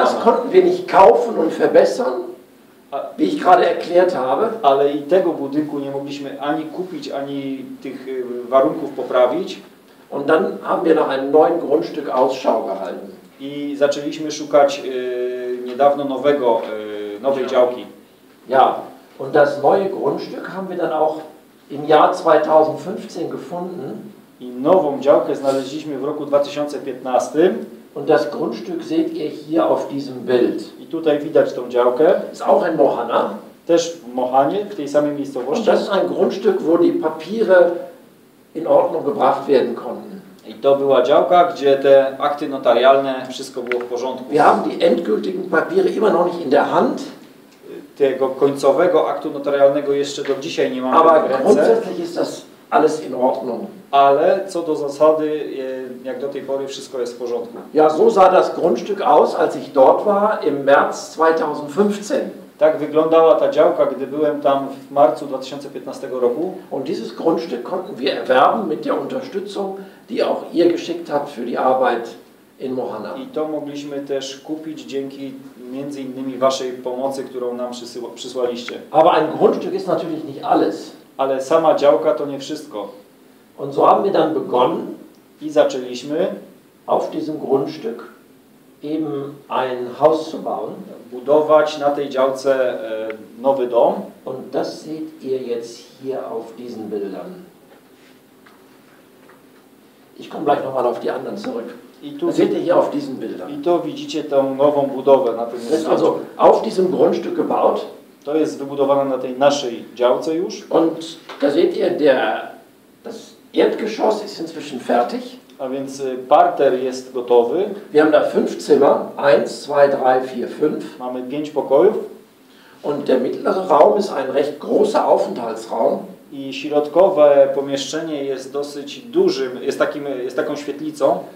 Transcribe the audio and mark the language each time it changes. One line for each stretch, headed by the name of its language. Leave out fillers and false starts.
German: Aber auch das konnten wir nicht kaufen und verbessern. Wie ich gerade erklärt habe.
Polish: Ale i tego budynku nie mogliśmy ani kupić, ani tych warunków poprawić.
German: Und dann haben wir nach einem neuen Grundstück Ausschau gehalten.
Polish: I zaczęliśmy szukać niedawno nowej działki.
German: Ja, und das neue Grundstück haben wir dann auch im Jahr 2015 gefunden.
Polish: I nową działkę znaleźliśmy w roku 2015.
German: Und das Grundstück seht ihr hier auf diesem Bild.
Polish: I tutaj widać tą działkę.
German: Ist auch in Mohana.
Polish: Też w Mohanie, w tej samej miejscowości.
German: Und das ist ein Grundstück, wo die Papiere in Ordnung gebracht werden konnten.
Polish: I to była działka, gdzie te akty notarialne, wszystko było w porządku.
German: Wir haben die endgültigen Papiere immer noch nicht in der Hand.
Polish: Tego końcowego aktu notarialnego jeszcze do dzisiaj nie mamy.
German: Aber grundsätzlich ist das alles in Ordnung.
Polish: Ale co do zasady, jak do tej pory, wszystko jest w porządku.
German: Ja, so sah das Grundstück aus, als ich dort war, im März 2015.
Polish: Tak wyglądała ta działka, gdy byłem tam w marcu 2015 roku.
German: Und dieses Grundstück konnten wir erwerben mit der Unterstützung, die auch ihr geschickt habt für die Arbeit in Mohana.
Polish: I to mogliśmy też kupić dzięki między innymi waszej pomocy, którą nam przysłaliście.
German: Aber ein Grundstück ist natürlich nicht alles.
Polish: Ale sama działka to nie wszystko.
German: Und so haben wir dann begonnen,
Polish: i zaczęliśmy
German: auf diesem Grundstück eben ein Haus zu bauen,
Polish: budować na tej działce nowy dom.
German: Und das seht ihr jetzt hier auf diesen Bildern. Ich komme gleich nochmal auf die anderen zurück. Das seht ihr hier auf diesen Bildern.
Polish: I to widzicie tą nową budowę na tym
German: Grundstück. Also auf diesem Grundstück gebaut.
Polish: To jest wybudowane na tej naszej działce już.
German: Und da seht ihr das Erdgeschoss ist inzwischen fertig.
Polish: A więc parter jest gotowy.
German: Wir haben da 5 Zimmer. 1, 2, 3, 4, 5.
Polish: Mamy 5 pokojów.
German: Und der mittlere Raum ist ein recht großer Aufenthaltsraum.
Polish: I środkowe pomieszczenie jest dosyć dużym, jest taką świetlicą.